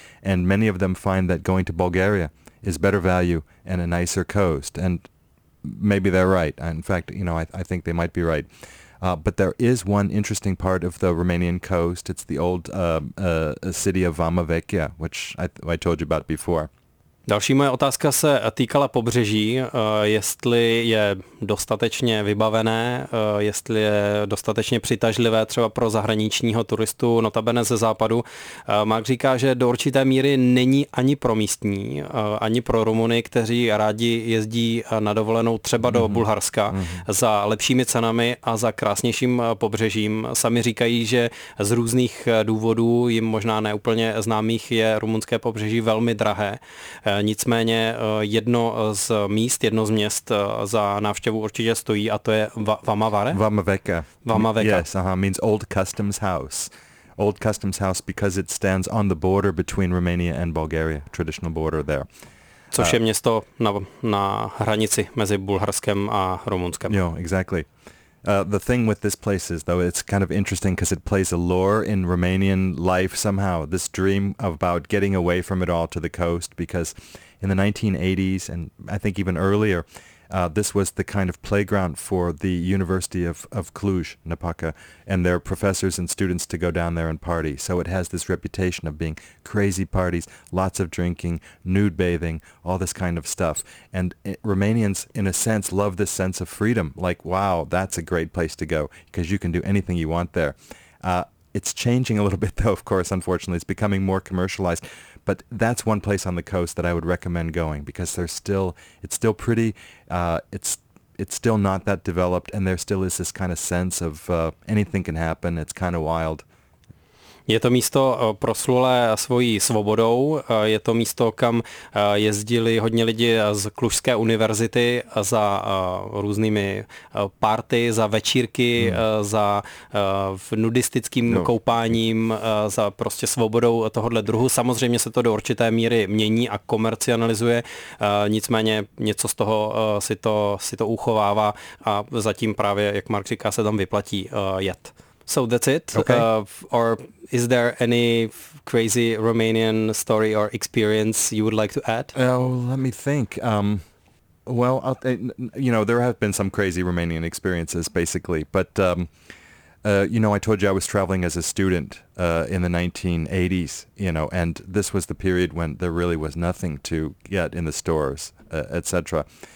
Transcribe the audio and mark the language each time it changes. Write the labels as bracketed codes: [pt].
[en] And many of them find that going to Bulgaria is better value and a nicer coast. And maybe they're right. In fact, you know, I think they might be right. But there is one interesting part of the Romanian coast. It's the old city of Vama Vecchia, which I told you about before. [cs] Další moje otázka se týkala pobřeží, jestli je dostatečně vybavené, jestli je dostatečně přitažlivé třeba pro zahraničního turistu, notabene ze západu. Mark říká, že do určité míry není ani pro místní, ani pro Rumuny, kteří rádi jezdí na dovolenou třeba do Bulharska za lepšími cenami a za krásnějším pobřežím. Sami říkají, že z různých důvodů, jim možná neúplně známých, je rumunské pobřeží velmi drahé. Nicméně jedno z měst za návštěvu určitě stojí a to je Vamavare? Vama Vecchia. Vama Vecchia. [en] Yes, means old customs house. Old customs house because it stands on the border between Romania and Bulgaria, traditional border there. [cs] Což je město na hranici mezi Bulharskem a Rumunskem. [en] Jo, exactly. The thing with this place is, though, it's kind of interesting because it plays a lure in Romanian life somehow, this dream about getting away from it all to the coast, because in the 1980s, and I think even earlier, this was the kind of playground for the University of Cluj, Napaca, and their professors and students to go down there and party. So it has this reputation of being crazy parties, lots of drinking, nude bathing, all this kind of stuff. And Romanians, in a sense, love this sense of freedom. Like, wow, that's a great place to go because you can do anything you want there. It's changing a little bit, though, of course, unfortunately. It's becoming more commercialized. But that's one place on the coast that I would recommend going because there's still, it's still pretty, it's still not that developed, and there still is this kind of sense of anything can happen. It's kind of wild. [cs] Je to místo proslulé svojí svobodou, je to místo, kam jezdili hodně lidi z Klužské univerzity za různými party, za večírky, za nudistickým koupáním, za prostě svobodou tohohle druhu. Samozřejmě se to do určité míry mění a komercionalizuje, nicméně něco z toho si to uchovává a zatím právě, jak Mark říká, se tam vyplatí jet. [en] So that's it. Okay. Or is there any crazy Romanian story or experience you would like to add? Oh, let me think. Well, you know, there have been some crazy Romanian experiences, basically. But, you know, I told you I was traveling as a student in the 1980s, you know, and this was the period when there really was nothing to get in the stores, etc.